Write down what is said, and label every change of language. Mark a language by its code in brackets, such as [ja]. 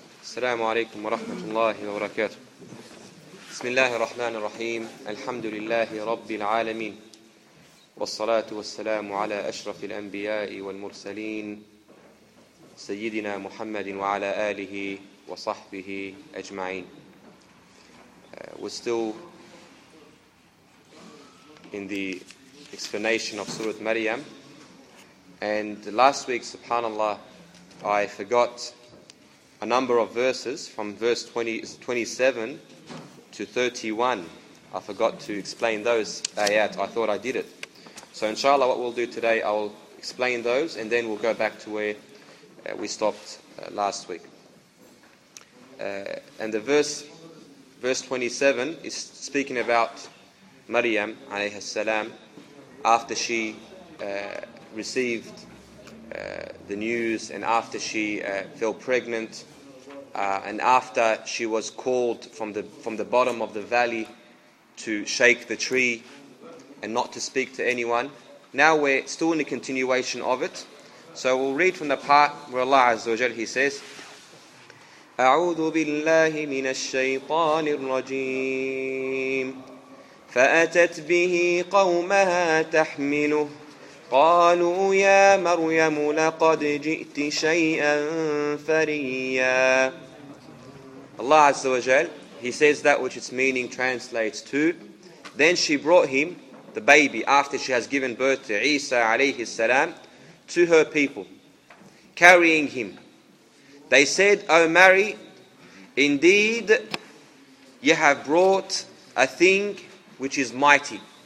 [ar] السلام عليكم ورحمة الله وبركاته. بسم الله الرحمن الرحيم. الحمد لله رب العالمين، والصلاة والسلام على أشرف الأنبياء والمرسلين سيدنا محمد وعلى آله وصحبه أجمعين. [en] We're still in the explanation of Surah Maryam, and last week, subhanAllah, I forgot a number of verses from verse 27 to 31. I forgot to explain those ayat. I thought I did it. So inshallah, what we'll do today, I'll explain those and then we'll go back to where we stopped last week. And the verse 27 is speaking about Maryam alayhi salam, after she received the news, and after she fell pregnant, and after she was called from the bottom of the valley to shake the tree and not to speak to anyone. Now we're still in the continuation of it. So we'll read from the part where Allah Azza wa Jal, He says, [ar] أعوذ بالله من الشيطان الرجيم فأتت به قومها تحمله قالوا يا مريم لقد جئت شيئا فريا. [en] Allah Azza wa Jal, He says that which its meaning translates to, then she brought him, the baby, after she has given birth to Isa alayhi salam, to her people, carrying him. They said, O Mary, indeed you have brought a thing which is mighty.